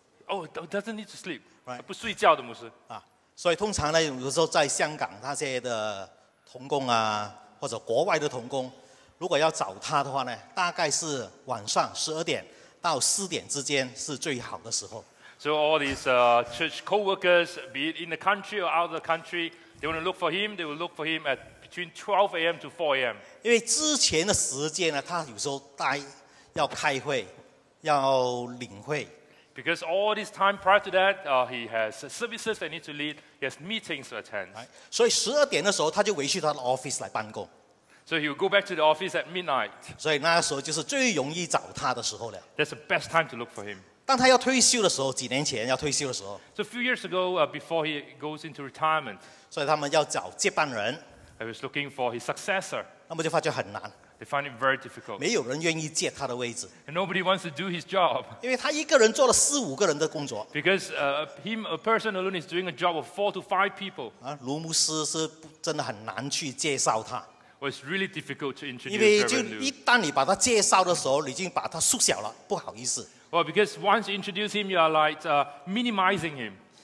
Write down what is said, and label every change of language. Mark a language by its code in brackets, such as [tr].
[en] Oh, doesn't need to sleep. Right. [zh] 不睡觉的牧师。所以通常呢，有时候在香港那些的同工啊，或者国外的同工，如果要找他的话呢，大概是晚上12点到4点之间是最好的时候。 [en] So all these church co-workers, be it in the country or out of the country, they want to look for him. They will look for him at between 12 a.m. to 4 a.m. [zh] 因为之前的时间呢，他有时候要开会。要领会 [en] Because all this time prior to that, he has services that need to lead. He has meetings to attend. [zh] 所以12点的时候，他就回去他的 office 来办公。 [en] So he will go back to the office at midnight. [zh] 所以那时候就是最容易找他的时候了。 [en] That's the best time to look for him. [zh] 当他要退休的时候，几年前要退休的时候。 [en] So a few years ago, before he goes into retirement. [zh] 所以他们要找接班人。 [en] He was looking for his successor. [zh] 那么就发觉很难。 [en] They find it very difficult. [zh] 没有人愿意接他的位置。 [en] And nobody wants to do his job. [zh] 因为他一个人做了4-5个人的工作。 [en] Because a person alone is doing a job of 4 to 5 people. [zh] 卢牧师是真的很难去介绍他。 [en] Well, it's really difficult to introduce Reverend Lu. [zh] 因为就一旦你把他介绍的时候，你已经把他缩小了，不好意思。 [en] Well, because once you introduce him, you are like minimizing him.